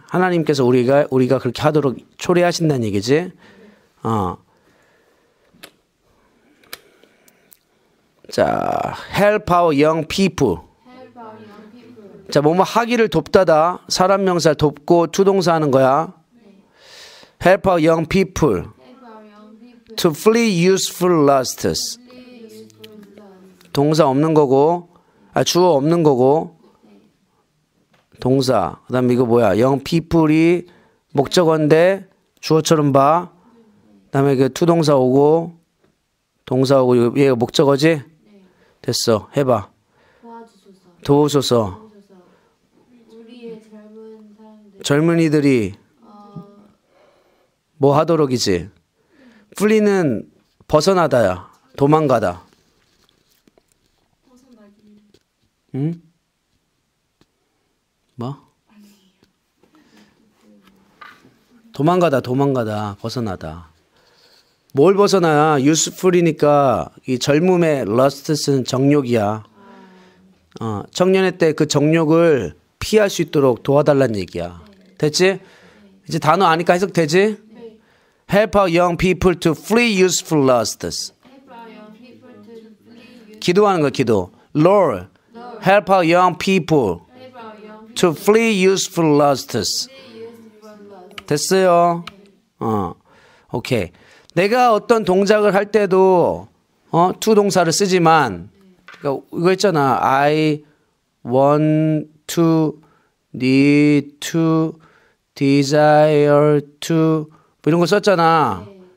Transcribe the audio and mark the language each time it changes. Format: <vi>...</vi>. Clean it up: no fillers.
<ko>하나님께서 우리가 그렇게 하도록 초래하신다는 얘기지. 자,</ko> <en>help our young people.</en> <ko>자, 뭐뭐 하기를 돕다다. 사람 명사 돕고 to 동사 하는 거야.</ko> <en>Help our young people to flee youthful lusts.</en> <ko>동사 없는 거고, 아, 주어 없는 거고, 동사. 그 다음에 이거 뭐야? Young people이 목적어인데, 주어처럼 봐. 그 다음에 그 to 동사 오고, 동사 오고, 얘가 목적어지? 됐어. 해봐. 도우소서. 젊은이들이 뭐 하도록이지? 플리는 벗어나다야. 도망가다. 응? 뭐? 도망가다, 도망가다, 벗어나다. 뭘 벗어나야? Useful이니까 이 젊음의 lusts는 정욕이야. 청년의 때 그 정욕을 피할 수 있도록 도와달라는 얘기야. 됐지? 이제 단어 아니까 해석 되지?</ko> <en>Help our young people to flee useful lusts.</en> <ko>기도하는 거 기도.</ko> <en>Lord, help our young people to flee useful lusts.</en> <ko>됐어요. 오케이. 내가 어떤 동작을 할 때도 to 동사를 쓰지만 그러니까 이거 있잖아.</ko> <en>I want to, need to, desire to</en> <ko>뭐 이런 거 썼잖아.</ko>